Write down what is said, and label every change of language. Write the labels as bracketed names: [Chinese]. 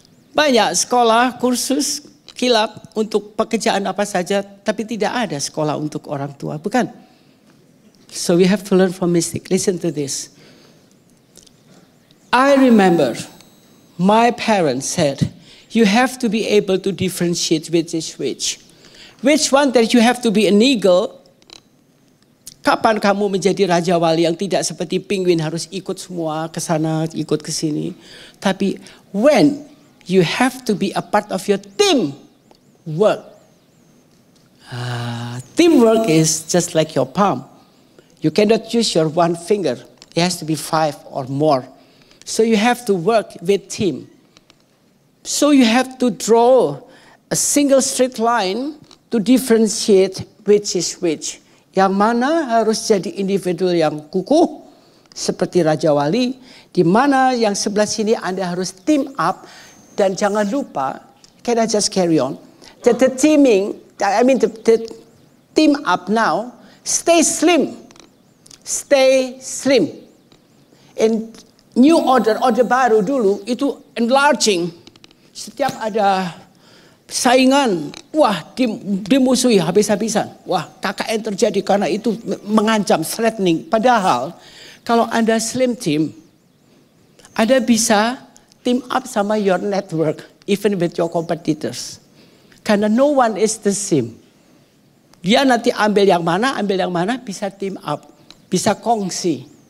[Indonesian] Banyak sekolah, kursus, kilap untuk pekerjaan apa saja, tapi tidak ada sekolah untuk orang tua, bukan? [English] So we have to learn from mistake. Listen to this. I remember my parents said, you have to be able to differentiate which is which. Which one that you have to be an eagle? [Indonesian] Kapan kamu menjadi raja wali yang tidak seperti penguin harus ikut semua ke sana, ikut ke sini? [English] Tapi when you have to be a part of your teamwork. Teamwork is just like your palm. You cannot use your one finger. It has to be five or more. So you have to work with team. So you have to draw a single straight line to differentiate which is which. [Indonesian] Yang mana harus jadi individu yang kukuh seperti Raja Wali, di mana yang sebelah sini Anda harus team up. Dan jangan lupa, [English] can I just carry on? That the teaming, I mean the team up now, stay slim. Stay slim. In new order, [Indonesian] order baru dulu, itu [English] enlarging. [Indonesian] Setiap ada saingan, wah dimusuhi habis-habisan. Wah KKN terjadi karena itu mengancam, threatening. Padahal kalau Anda slim team, Anda bisa team up sama [English] your network, even with your competitors. [Indonesian] Karena [English] no one is the same. [Indonesian] Dia nanti ambil yang mana, bisa team up. Bisa kongsi.